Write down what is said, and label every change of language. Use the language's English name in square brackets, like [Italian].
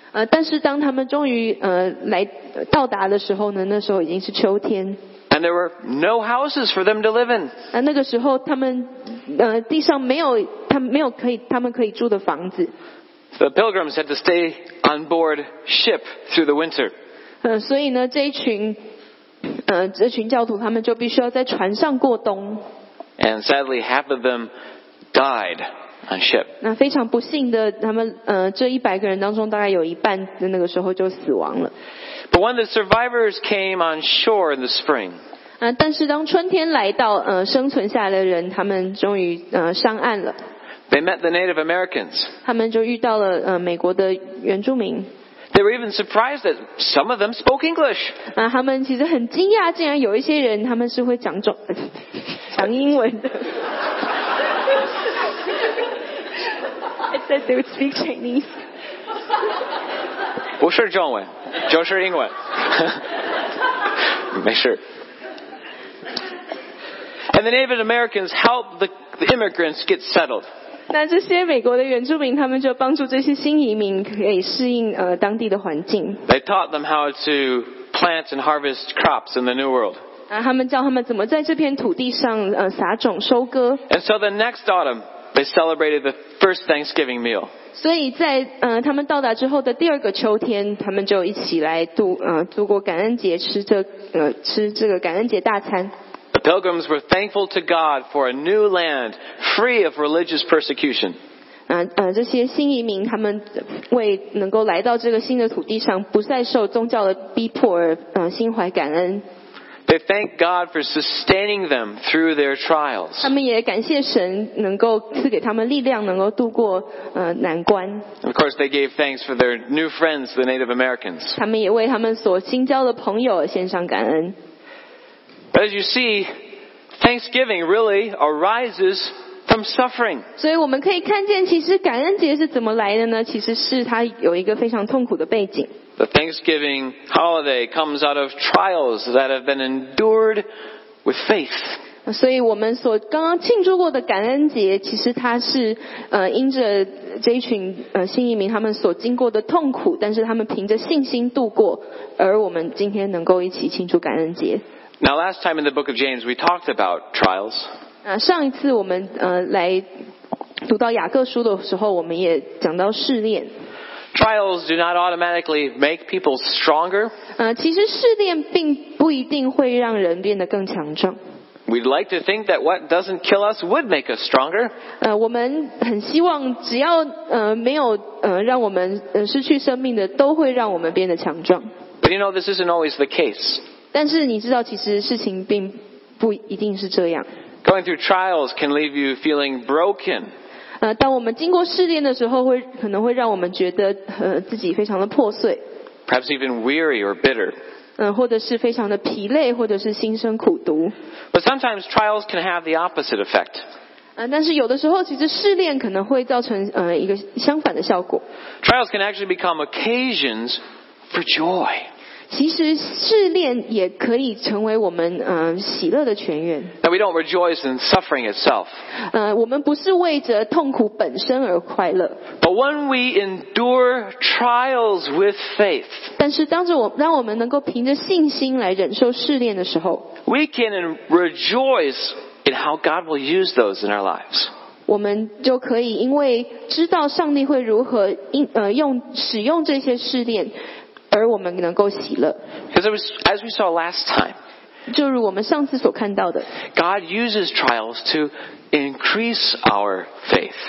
[Chinese] 但是当他们终于来到达的时候呢，那时候已经是秋天。 [English] And there were no houses for them to live in. [Chinese] 那个时候他们地上没有他们可以住的房子。 [English] The pilgrims had to stay on board ship through the winter. [Chinese] 所以呢，这群教徒他们就必须要在船上过冬。 [English] And sadly, half of them died on ship. [Chinese] 那非常不幸的，他们这一百个人当中，大概有一半在那个时候就死亡了。 [English] But when the survivors came on shore in the spring, [Chinese] 但是当春天来到，生存下来的人，他们终于上岸了。 [English] They met the Native Americans. [Chinese] 他们就遇到了美国的原住民。 [English] They were even surprised that some of them spoke English. [Chinese] 他们其实很惊讶，竟然有一些人他们是会讲英文的。 [English] I said they would speak Chinese. [Chinese] 不是中文，就是英文。没事。 [English] And the Native Americans helped the immigrants get settled. [Chinese] 那这些美国的原住民，他们就帮助这些新移民可以适应当地的环境。 [English] They taught them how to plant and harvest crops in the New World. [Chinese] 他们教他们怎么在这片土地上撒种收割。 [English] And so the next autumn, they celebrated the first Thanksgiving meal. [Chinese] 所以在他们到达之后的第二个秋天，他们就一起来度过感恩节，吃这个感恩节大餐。 [English] The pilgrims were thankful to God for a new land free of religious persecution. [Chinese] 这些新移民他们为能够来到这个新的土地上不再受宗教的逼迫而心怀感恩。 [English] They thank God for sustaining them through their trials. [Chinese] 他们也感谢神能够赐给他们力量，能够度过难关。 [English] Of course, they gave thanks for their new friends, the Native Americans. [Chinese] 他们也为他们所新交的朋友献上感恩。 [English] But as you see, Thanksgiving really arises from suffering. [Chinese] 所以我们可以看见，其实感恩节是怎么来的呢？其实是它有一个非常痛苦的背景。 [English] The Thanksgiving holiday comes out of trials that have been endured with faith. [Chinese] 所以我们所刚刚庆祝过的感恩节，其实它是因着这一群新移民他们所经过的痛苦，但是他们凭着信心度过，而我们今天能够一起庆祝感恩节。 [English] Now, last time in the book of James, we talked about trials. [Chinese] 上一次我们来读到雅各书的时候，我们也讲到试炼。 [English] Trials do not automatically make people stronger. [Chinese] 其实试炼并不一定会让人变得更强壮。 [English] We'd like to think that what doesn't kill us would make us stronger. [Chinese] 我们很希望只要没有让我们失去生命的，都会让我们变得强壮。 [English] But you know, this isn't always the case. [Chinese] 但是你知道，其实事情并不一定是这样。 [English] Going through trials can leave you feeling broken. [Chinese] 当我们经过试炼的时候，可能会让我们觉得自己非常的破碎。 [English] Perhaps even weary or bitter. [Chinese] 或者是非常的疲累，或者是心生苦毒。 [English] But sometimes trials can have the opposite effect. [Chinese] 但是有的时候，其实试炼可能会造成一个相反的效果。 [English] Trials can actually become occasions for joy. [Chinese] 其实试炼也可以成为我们喜乐的泉源。 [English] Now we don't rejoice in suffering itself. [Chinese] 我们不是为着痛苦本身而快乐。 [English] But when we endure trials with faith, [Chinese] 但是当我们能够凭着信心来忍受试炼的时候 [English] ，we can rejoice in how God will use those in our lives. [Chinese] 我们就可以因为知道上帝会如何使用这些试炼。 [English] Because as we saw last time, [Chinese] 就如我们上次所看到的 [English] ，God uses trials to increase our faith.